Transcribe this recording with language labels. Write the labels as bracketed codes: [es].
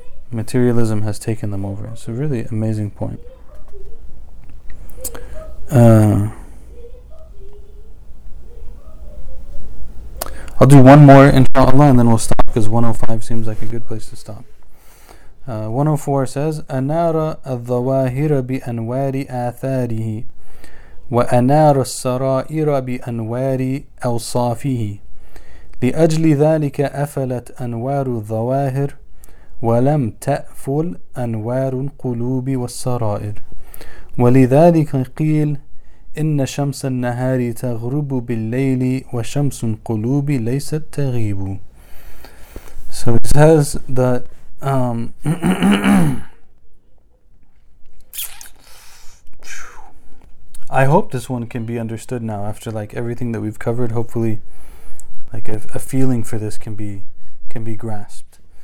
[en] Materialism has taken them over. It's a really amazing point. I'll do one more, inshallah, and then we'll stop because 105 seems like a good place to stop. 104 says, [ar] أَنَارَ الظَّوَاهِرَ بِأَنْوَارِ آثَارِهِ وَأَنَارَ السَّرَائِرَ بِأَنْوَارِ أَوْصَافِهِ لِأَجْلِ ذَلِكَ أَفَلَتْ أَنْوَارُ الظَّوَاهِرِ وَلَمْ تَأْفُلْ أَنْوَارُ الْقُلُوبِ وَالسَّرَائِرِ وَلِذَلِكَ قِيلْ إن شمس النهار تغرب بالليل وشمس القلوب ليست تغيب. [en] So it says that I hope this one can be understood now after like everything that we've covered. Hopefully, like a feeling for this can be grasped.